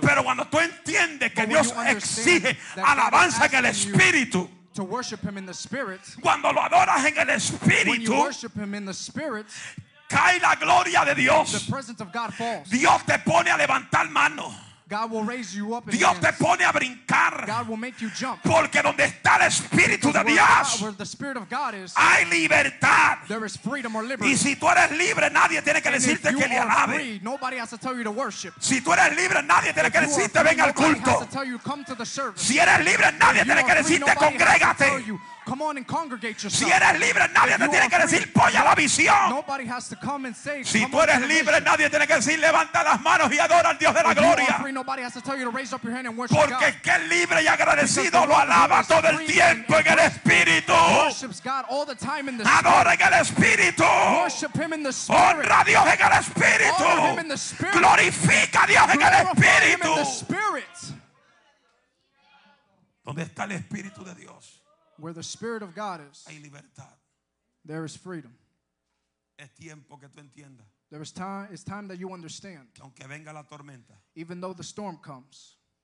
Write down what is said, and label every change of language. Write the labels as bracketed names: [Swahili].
[Spanish] Pero cuando tú entiendes que Dios exige alabanza en el espíritu. [English] To worship him in the spirit. [Spanish] Cuando lo adoras en el espíritu. [English] When you worship him in the spirit. [Spanish] Cae la gloria de Dios. [English] The presence of God falls. [Spanish] Dios te pone a levantar mano. [English] God will raise you up. [Spanish] Dios te pone a brincar. [English] God will make you jump. [Spanish] Porque donde está el Espíritu de Dios, [English] where the Spirit of God is, [Spanish] hay libertad. [English] There is freedom or liberty. [Spanish] Y si tú eres libre, nadie tiene que [English] and [Spanish] decirte que le alabe. [English] Free, nobody has to tell you to worship. [Spanish] Si tú eres libre, nadie tiene [English] if [Spanish] que decirte venga al culto. [English] Has to tell you, come to the service. [Spanish] Si eres libre, nadie tiene que decirte congrégate. [English] Come on and congregate yourself. [Spanish] Si eres libre, nadie te tiene que decir polla la visión. [English] Nobody has to come and say. [Spanish] Si tú eres libre, nadie tiene que decir levanta las manos y adora al Dios de la gloria. [English] Nobody has to tell you to raise up your hand and worship. [Spanish] Porque que libre y agradecido lo alaba todo el tiempo en el espíritu. [English] Worships God all the time in the spirit. [Spanish] Adora en el espíritu. [English] Worship him in the spirit. [Spanish] Honra a Dios en el espíritu. [English] Honor him in the spirit. [Spanish] Glorifica a Dios en el espíritu. [English] Glorify him in the spirit. [Spanish] ¿Dónde está el espíritu de Dios? [English] Where the Spirit of God is, [Spanish] hay libertad. [English] There is freedom. [Spanish] Es tiempo que tú entiendas. [English] There is time. It's time that you understand. [Spanish] Aunque venga la tormenta, [English] even though the storm comes,